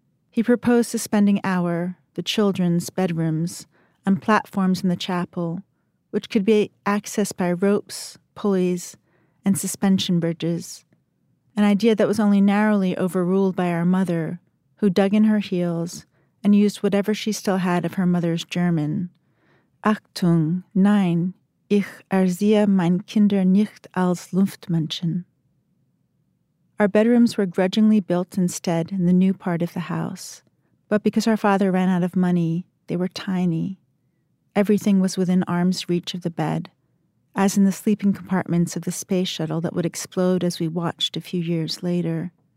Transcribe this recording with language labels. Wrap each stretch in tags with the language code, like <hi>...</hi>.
<en>He proposed to spending our, the children's, bedrooms on platforms in the chapel, which could be accessed by ropes, pulleys, and suspension bridges, an idea that was only narrowly overruled by our mother, who dug in her heels and used whatever she still had of her mother's German.</en> <de>Achtung, nein, ich erziehe mein Kinder nicht als Luftmenschen.</de> <en>Our bedrooms were grudgingly built instead in the new part of the house, but because our father ran out of money, they were tiny. Everything was within arm's reach of the bed, as in the sleeping compartments of the space shuttle that would explode as we watched a few years later.</en>